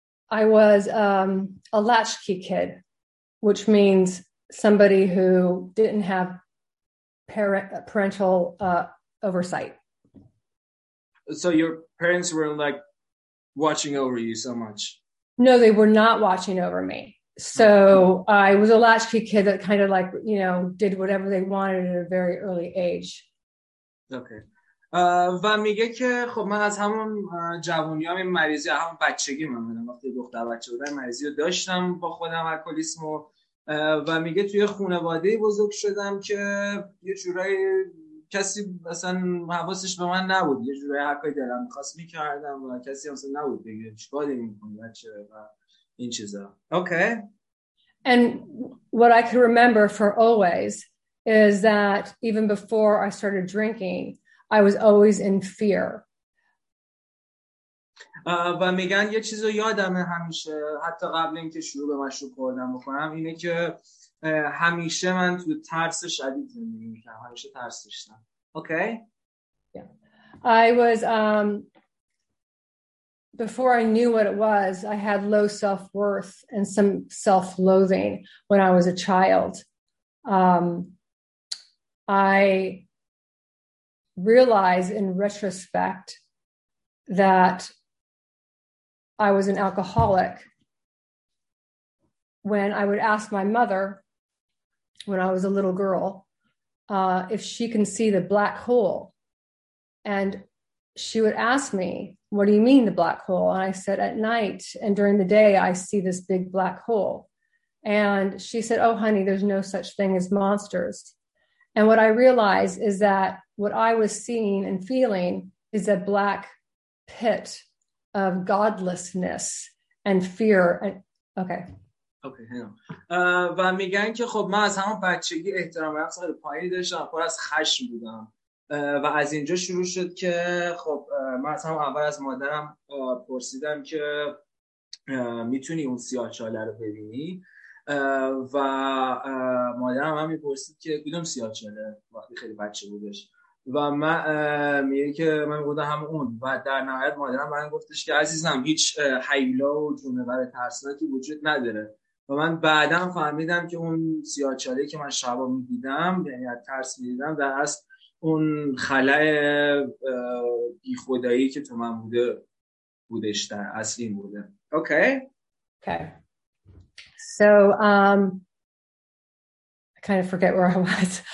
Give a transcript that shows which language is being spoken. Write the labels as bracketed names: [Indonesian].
[English] I was a latchkey kid, which means somebody who didn't have parental oversight. So your parents were like watching over you so much? No, they were not watching over me. So I was a latchkey kid that kind of like, you know, did whatever they wanted at a very early age. Okay. [Persian] و میگه که خب من از همون جوانی هم این مریضی و همون بچگی من بودم، وقتی دختر بچه بودم مریضی رو داشتم با خودم، الکلیسم. و میگه توی خانواده بزرگ شدم که یه جورایی کسی مثلا حواسش به من نبود، یه جورایی هر کاری دلم میخواست میکردم و کسی هم مثلا نبود بگه چیکار داری میکنی بچه و این چیزا. [English] Okay. And what I can remember for always is that even before I started drinking, I was always in fear. [Persian] و میگن یه چیزو یادمه همیشه، حتی قبل اینکه شروع به مشروب خوردن بکنم، اینه که همیشه من تو ترس شدید زندگی می‌کردم، همیشه ترس داشتم. [English] Okay? Yeah. I was before I knew what it was, I had low self-worth and some self-loathing when I was a child. I realize in retrospect that I was an alcoholic when I would ask my mother when I was a little girl if she can see the black hole, and she would ask me, what do you mean the black hole? And I said, at night and during the day I see this big black hole. And she said, oh honey, there's no such thing as monsters. And what I realized is that what I was seeing and feeling is a black pit of godlessness and fear. And, okay, hang on. [Persian] و میگن که خب من از همون بچگی احترام نفس خیلی پایینی داشتم، پر از خشم بودم. و از اینجا شروع شد که خب من از همون اول از مادرم پرسیدم که میتونی اون سیاه چاله رو ببینی؟ و مادرم هم میپرسید که کدوم سیاه‌چاله، وقتی خیلی بچه بودش. و من میگه که من میگودم هم اون. و در نهایت مادرم من گفتش که عزیزم هیچ حیلا و جونور ترسناکی وجود نداره. و من بعدم فهمیدم که اون سیاه‌چاله که من شبا میدیدم، یعنی ترس میدیدم، در اصل اون خلأ بی خدایی که تو من بوده بودش، در اصل این بوده. [English] Okay? Okay. So I kind of forget where I was.